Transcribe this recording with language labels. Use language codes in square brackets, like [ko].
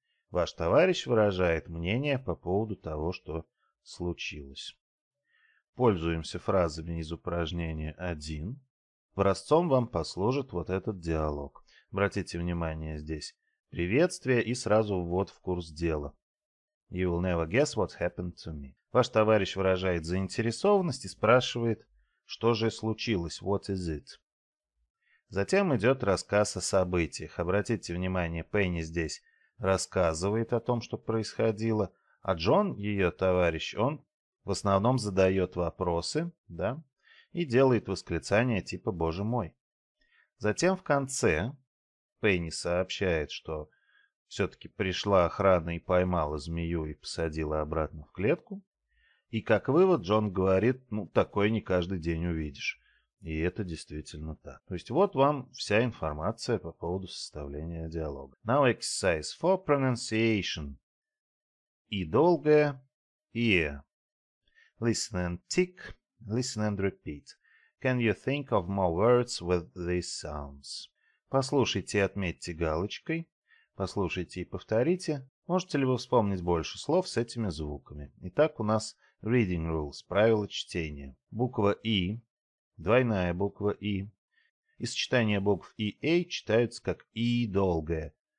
[ru] Ваш товарищ выражает мнение по поводу того, что случилось. Пользуемся фразами из упражнения 1. Образцом вам послужит вот этот диалог. Обратите внимание здесь. Приветствие и сразу ввод в курс дела. [en] You will never guess what happened to me. [ru] Ваш товарищ выражает заинтересованность и спрашивает, что же случилось, [en] what is it? [ru] Затем идет рассказ о событиях. Обратите внимание, Пенни здесь рассказывает о том, что происходило, а Джон, ее товарищ, он в основном задает вопросы, да, и делает восклицания типа «Боже мой». Затем в конце Пенни сообщает, что все-таки пришла охрана и поймала змею и посадила обратно в клетку. И как вывод Джон говорит, ну, такое не каждый день увидишь. И это действительно так. То есть вот вам вся информация по поводу составления диалога. [en] Now exercise for pronunciation. [ru] И долгое, и е. [en] Listen and tick, listen and repeat. Can you think of more words with these sounds? [ru] Послушайте и отметьте галочкой. Послушайте и повторите. Можете ли вы вспомнить больше слов с этими звуками? Итак, у нас [en] reading rules, [ru] правила чтения. Буква «и», двойная буква «и». И сочетание букв «и» и «эй» читаются как «и» долгое.